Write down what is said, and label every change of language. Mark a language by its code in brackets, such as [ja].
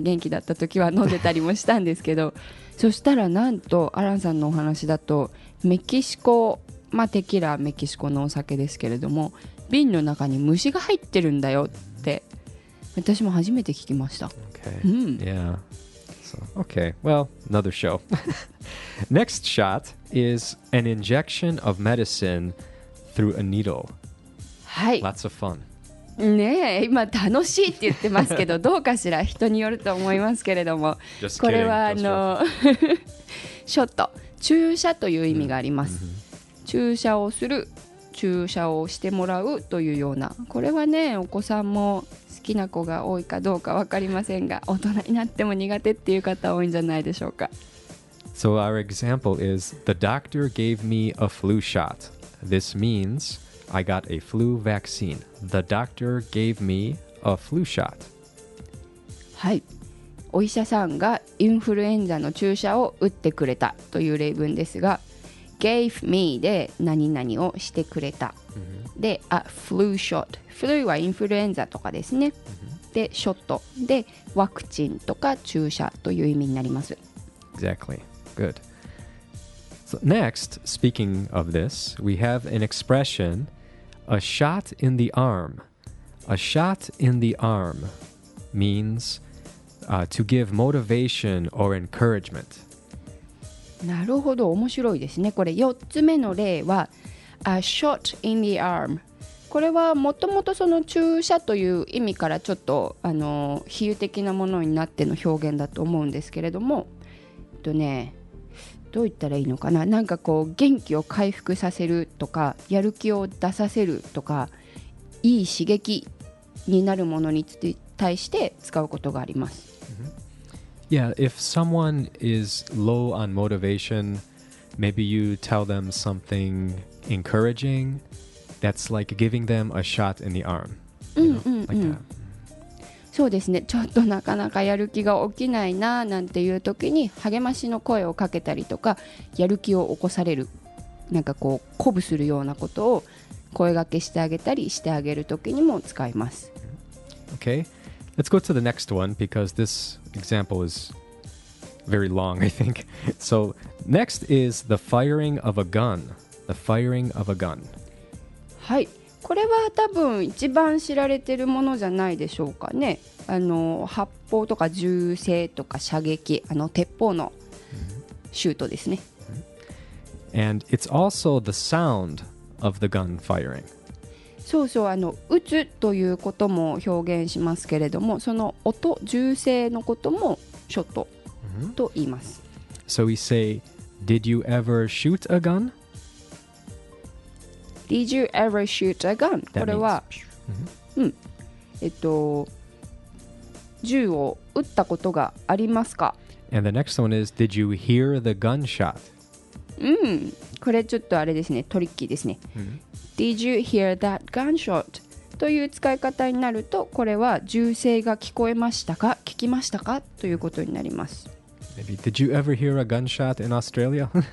[ja] 元気だった時は飲んでたりもしたんですけど、そしたらなんと、アランさんのお話だと、メキシコ、まあ、テキラはメキシコのお酒ですけれども、瓶の中に虫が入ってるんだよって、私も初めて聞きました。 [en] Okay. Mm. Yeah. So, okay, well, another show. Next shot is an injection of medicine through a needle. [ja] はい。 [en] Lots of fun. [ja] ねえ今楽しいって言ってますけどどうかしら人によると思いますけれどもこれはあのショット注射という意味があります、mm-hmm. 注射をする注射をしてもらうというようなこれはねお子さんも好きな子が多いかどうか分かりませんが大人になっても苦手っていう方多いんじゃないでしょうか [en] So our example is The doctor gave me a flu shot This meansI got a flu vaccine. The doctor gave me a flu shot. [ja] はい。お医者さんがインフルエンザの注射を打ってくれたという例文ですが、gave me で何々をしてくれた。 [en] Mm-hmm. で、a flu shot. [ja] Flu はインフルエンザとかですね。 Mm-hmm. で、ショット。で、ワクチンとか注射という意味になります。 [en] Exactly. Good. So next, speaking of this, we have an expression, a shot in the arm. A shot in the arm means、to give motivation or encouragement. [ja] なるほど、面白いですね。これ4つ目の例は、 [en] a shot in the arm。 [ja] これはもともとその注射という意味からちょっと比喩的なものになっての表現だと思うんですけれども、どう言ったらいいのかな。なんかこう元気を回復させるとか、やる気を出させるとか、いい刺激になるものに対して使うことがあります。 Mm-hmm. [en] Yeah, if someone is low on motivation, maybe you tell them something encouraging. That's like giving them a shot in the arm. You know? Mm-hmm. Like that. [ja] そうですね。ちょっとなかなかやる気が起きないななんていう時に励ましの声をかけたりとか、やる気を起こされる、なんかこう鼓舞するようなことを声掛けしてあげたりしてあげる時にも使います。 [en] Okay, let's go to the next one because this example is very long, I think. So next is the firing of a gun. The firing of a gun. [ja] はい。これは多分一番知られてるものじゃないでしょうかね。発砲とか銃声とか射撃、鉄砲のシュートですね。 Mm-hmm. [en] And it's also the sound of the gun firing. [ja] そうそう、撃つということも表現しますけれども、その音、銃声のこともショットと言います。 Mm-hmm. [en] So we say, did you ever shoot a gun? Did you ever shoot a gun? That [ja] これは、 mm-hmm. 銃を撃ったことがありますか? [en] And the next one is, did you hear the gunshot? [ja] うん、これちょっとあれですね、トリッキーですね。 Mm-hmm. [en] Did you hear that gunshot? [ja] という使い方になると、これは銃声が聞こえましたか、聞きましたかということになります。 [en] Maybe, did you ever hear a gunshot in Australia?